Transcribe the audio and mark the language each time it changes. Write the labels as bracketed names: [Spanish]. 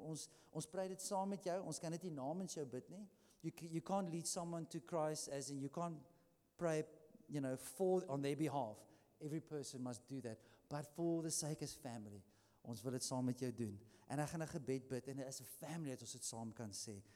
[Afrikaans] Ons pray dit saam met jou, ons kan dit nie namens jou bid nie. [English] You can't lead someone to Christ as in you can't pray, you know, for on their behalf. Every person must do that. But for the sake of family, [Afrikaans] ons wil dit saam met jou doen. En ek gaan 'n gebed bid en [English] as a family [Afrikaans] dat ons dit saam kan sê.